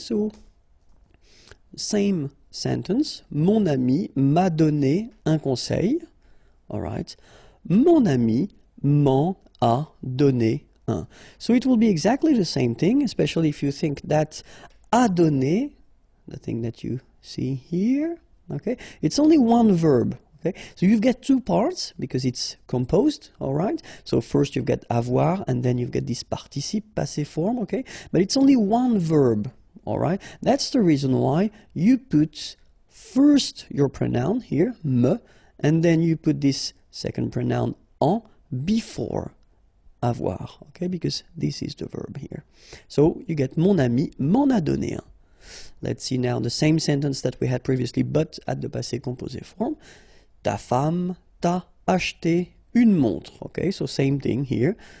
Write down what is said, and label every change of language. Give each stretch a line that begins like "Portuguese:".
English: So same sentence,
French: mon ami m'a donné un conseil,
English: all right,
French: mon ami m'en a donné un.
English: So it will be exactly the same thing, especially if you think that a donné, the thing that you see here, okay, it's only one verb, okay, so you've got two parts because it's composed, all right, so first you've got avoir and then you've got this participe, passé form, okay, but it's only one verb. All right, that's the reason why you put first your pronoun here, me, and then you put this second pronoun en before avoir, okay, because this is the verb here. So you get
French: mon ami m'en a donné un.
English: Let's see now the same sentence that we had previously, but at the passé composé form.
French: Ta femme t'a acheté une montre,
English: okay, so same thing here.